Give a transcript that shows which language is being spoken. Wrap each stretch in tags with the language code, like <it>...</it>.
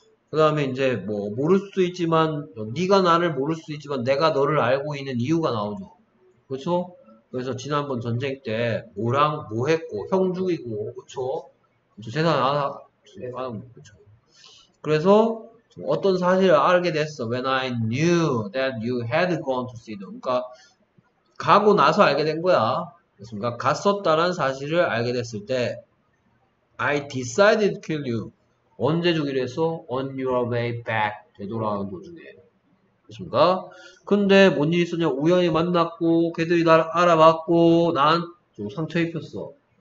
<ko>그 다음에 이제 뭐 모를 수도 있지만 네가 나를 모를 수도 있지만 내가 너를 알고 있는 이유가 나오죠. 그렇죠? 그래서 지난번 전쟁 때 뭐랑 뭐 했고 형 죽이고 그렇죠? 세상 알아. 그렇죠? 그래서 어떤 사실을 알게 됐어.</ko> <en>When I knew that you had gone to see them.</en> <ko>그러니까 가고 나서 알게 된 거야. 그러니까 갔었다는 사실을 알게 됐을 때</ko> <en>I decided to kill you.</en> <ko>언제 죽이려 했어?</ko> <en>On your way back.</en> <ko>되돌아가는 도중에. 그렇습니까? 근데 뭔 일이 있었냐? 우연히 만났고 걔들이 날 알아봤고 난 좀 상처 입혔어.</ko>